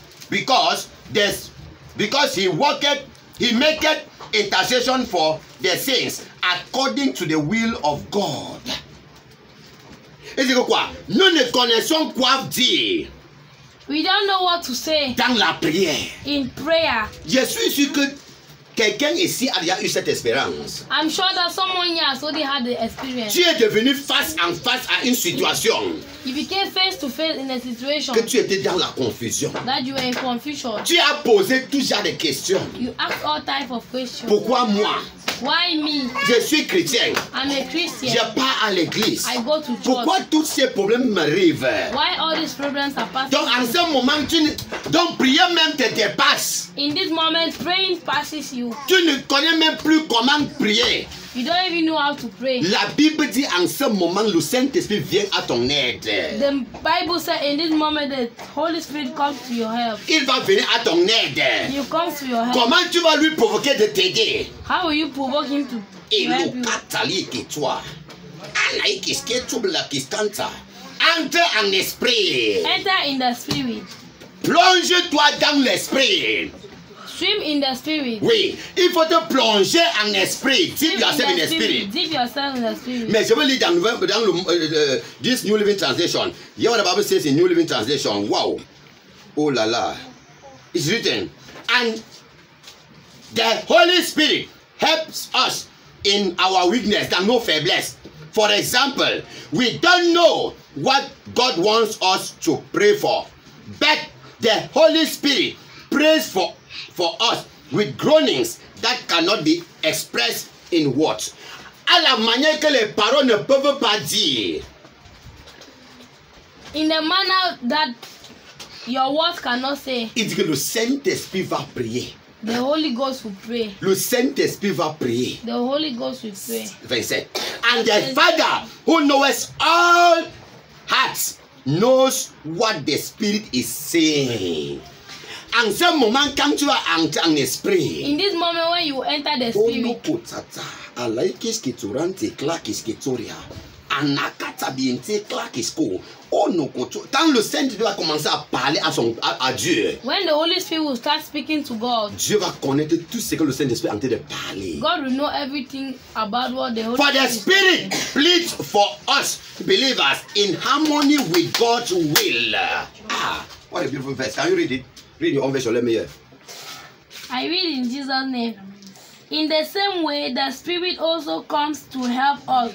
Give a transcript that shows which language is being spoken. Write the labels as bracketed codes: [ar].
[en] Because he maketh intercession for the saints according to the will of God. We don't know what to say. [fr] Dans la prière. [en] In prayer. Jesus, you could. [fr] Quelqu'un ici a déjà eu cette expérience. [en] I'm sure that someone here has already had the experience. [fr] Tu es devenu face en face à une situation. [en] You became face to face in a situation. [fr] Que tu étais dans la confusion. [en] That you were in confusion. [fr] Tu as posé tout genre de questions. [en] You asked all types of questions. [fr] Pourquoi moi? [en] Why me? [fr] Je suis chrétien. [en] I'm a Christian. [fr] Je pars à l'église. [en] I go to church. [fr] Pourquoi tous ces problèmes m'arrivent? [en] Why all these problems are passing? [fr] Donc en ce moment tu ne... donc prier même te dépasse. [en] In this moment praying passes you. [fr] Tu ne connais même plus comment prier. [en] You don't even know how to pray. [fr] La Bible dit en ce moment le Saint-Esprit vient à ton aide. [en] The Bible says in this moment the Holy Spirit comes to your help. [fr] Il va venir à ton aide. [en] He comes to your help. [fr] Comment tu vas lui provoquer de t'aider? [en] How will you provoke him to help [fr] you? Toi. Like ce que tu la distance. Enter en esprit. [en] Enter in the spirit. [fr] Plonge-toi dans l'esprit. [en] Swim in the spirit. [fr] Oui, il faut te plonger en esprit. [en] Dip yourself in the spirit. [fr] Mais je veux lire dans New Living Translation. [en] Hear what the Bible says in New Living Translation. Wow. Oh la la. It's written. And the Holy Spirit helps us in our weakness and no faiblesse. For example, we don't know what God wants us to pray for. But the Holy Spirit prays for us with groanings that cannot be expressed in words. [fr] À la manière que les paroles ne peuvent pas dire. [en] In the manner that your words cannot say. [fr] Il dit que le Saint-Esprit va prier. [en] The Holy Ghost will pray. [fr] Le Saint-Esprit va prier. [en] The Holy Ghost will pray. 27. And the Father who knows all hearts knows what the Spirit is saying. [fr] En ce moment, quand tu vas entrer en esprit. [en] In this moment when you enter the spirit. Alai kiski turante klakiski toria. Anakata biente klakisko. [fr] Quand le Saint-Esprit va commencer à parler à Dieu. [en] When the Holy Spirit will start speaking to God. [fr] Dieu va connaître tout ce que le Saint-Esprit est en train de parler. [en] God will know everything about what the Holy Spirit. For the Spirit pleads for us believers in harmony with God's will. Ah, what a beautiful verse. Can you read it? Read your own verse, let me hear. I read in Jesus' name. In the same way, the Spirit also comes to help us.